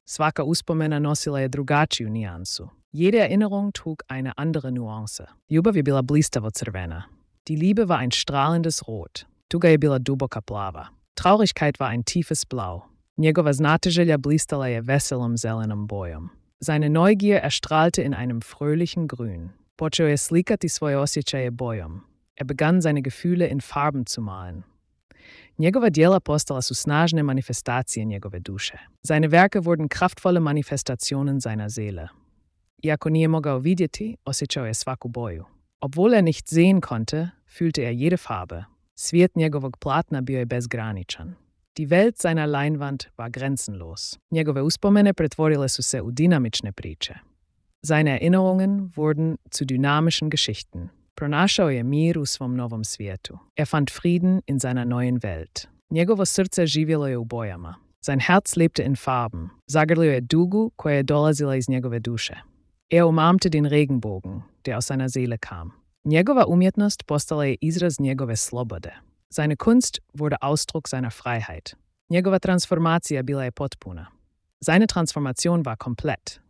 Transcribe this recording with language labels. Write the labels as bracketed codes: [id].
[hr] Svaka uspomena nosila je drugačiju nijansu. [de] Jede Erinnerung trug eine andere Nuance. [hr] Ljubav je bila blistavo crvena. [de] Die Liebe war ein strahlendes Rot. [hr] Tuga je bila duboka plava. [de] Traurigkeit war ein tiefes Blau. [hr] Njegova znatiželja blistala je veselom zelenom bojom. [de] Seine Neugier erstrahlte in einem fröhlichen Grün. [hr] Počeo je slikati svoje osjećaje bojom. [de] Er begann, seine Gefühle in Farben zu malen. [hr] Njegova djela postala su snažne manifestacije njegove duše. [de] Seine Werke wurden kraftvolle Manifestationen seiner Seele. [hr] Iako nije mogao vidjeti, osjećao je svaku boju. [de] Obwohl er nicht sehen konnte, fühlte er jede Farbe. [hr] Svijet njegovog platna bio je bezgraničan. [de] Die Welt seiner Leinwand war grenzenlos. [hr] Njegove uspomene pretvorile su se u dinamične priče. [de] Seine Erinnerungen wurden zu dynamischen Geschichten. [hr] Pronašao je mir u svom novom svijetu. [de] Er fand Frieden in seiner neuen Welt. [hr] Njegovo srce živjelo je u bojama. [de] Sein Herz lebte in Farben. [hr] Zagrlio je dugu koja je dolazila iz njegove duše. [de] Er umarmte den Regenbogen, der aus seiner Seele kam. [hr] Njegova umjetnost postala je izraz njegove slobode. [de] Seine Kunst wurde Ausdruck seiner Freiheit. [hr] Njegova transformacija bila je potpuna. [de] Seine Transformation war komplett.